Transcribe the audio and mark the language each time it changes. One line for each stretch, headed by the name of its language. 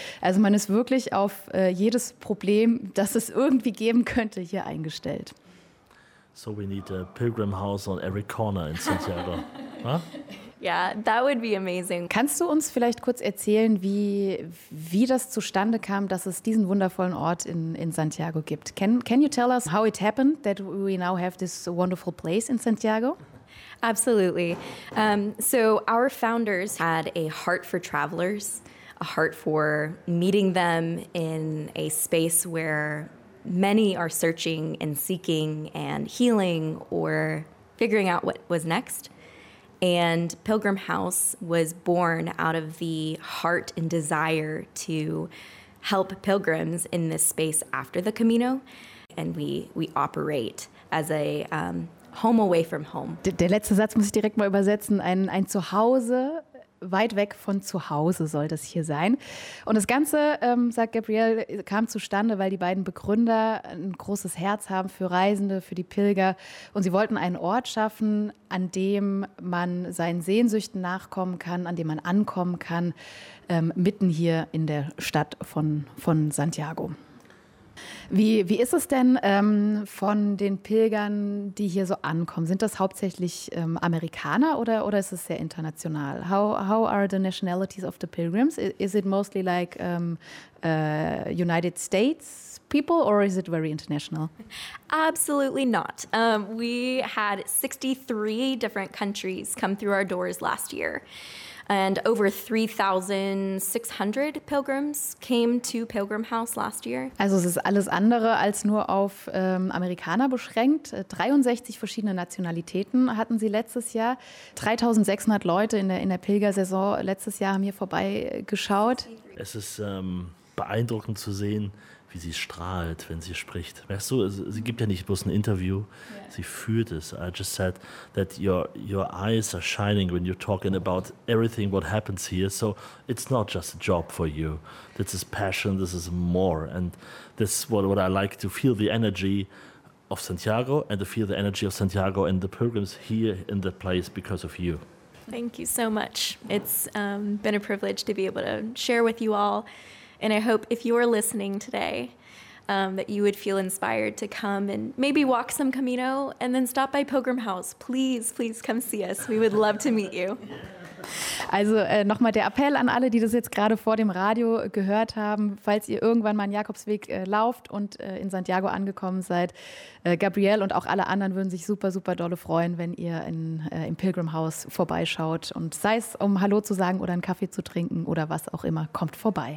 German: Also man ist wirklich auf jedes Problem, das es irgendwie geben könnte, hier eingestellt.
English: So we need a pilgrim house on every corner in Santiago. Yeah, that would be amazing.
German: Kannst du uns vielleicht kurz erzählen, wie das zustande kam, dass es diesen wundervollen Ort in Santiago gibt?
English: Can you tell us how it happened that we now have this wonderful place in Santiago? Absolutely. So our founders had a heart for travelers, a heart for meeting them in a space where many are searching and seeking and healing or figuring out what was next. And Pilgrim House was born out of the heart and desire to help pilgrims in this space after the Camino. And we operate as a home away from home.
German: Der letzte Satz muss ich direkt mal übersetzen. Ein Zuhause weit weg von zu Hause soll das hier sein. Und das Ganze, sagt Gabrielle, kam zustande, weil die beiden Begründer ein großes Herz haben für Reisende, für die Pilger. Und sie wollten einen Ort schaffen, an dem man seinen Sehnsüchten nachkommen kann, an dem man ankommen kann, mitten hier in der Stadt von Santiago. Wie ist es denn von den Pilgern, die hier so ankommen? Sind das hauptsächlich Amerikaner oder ist es sehr international?
English: How are the nationalities of the pilgrims? Is it mostly like United States people or is it very international? Absolutely not. We had 63 different countries come through our doors last year. And over 3,600 pilgrims came to Pilgrim House last year.
German: Also es ist alles andere als nur auf Amerikaner beschränkt. 63 verschiedene Nationalitäten hatten sie letztes Jahr. 3,600 Leute in der Pilgersaison letztes Jahr haben hier vorbeigeschaut. Es ist beeindruckend zu sehen, wie sie strahlt, wenn sie spricht. Weißt du, sie gibt ja nicht bloß ein Interview, sie fühlt es.
English: I just said that your eyes are shining when you're talking about everything what happens here. So it's not just a job for you. This is passion, this is more. And this is what I like to feel the energy of Santiago and to feel the energy of Santiago and the pilgrims here in the place because of you. Thank you so much. It's been a privilege to be able to share with you all. And I hope if you are listening today, that you would feel inspired to come and maybe walk some Camino and then stop by Pilgrim House. Please, please come see us. We would love to meet you.
German: Also nochmal der Appell an alle, die das jetzt gerade vor dem Radio gehört haben. Falls ihr irgendwann mal einen Jakobsweg lauft und in Santiago angekommen seid, Gabrielle und auch alle anderen würden sich super, super dolle freuen, wenn ihr im Pilgrim House vorbeischaut. Und sei es, um Hallo zu sagen oder einen Kaffee zu trinken oder was auch immer, kommt vorbei.